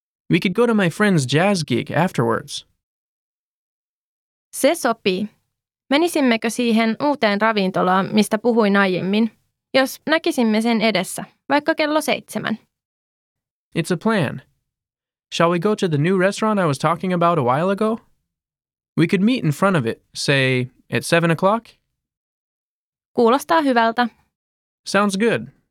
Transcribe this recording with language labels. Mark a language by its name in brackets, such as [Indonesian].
[English] We could go to my friend's jazz gig afterwards. [Finnish] Se sopii. Menisimmekö siihen uuteen ravintolaan, mistä puhuin aiemmin, jos näkisimme sen edessä, vaikka 7:00? [English] It's a plan. Shall we go to the new restaurant I was talking about a while ago? We could meet in front of it, say, at 7:00? [Finnish] Kuulostaa hyvältä. [English] Sounds good.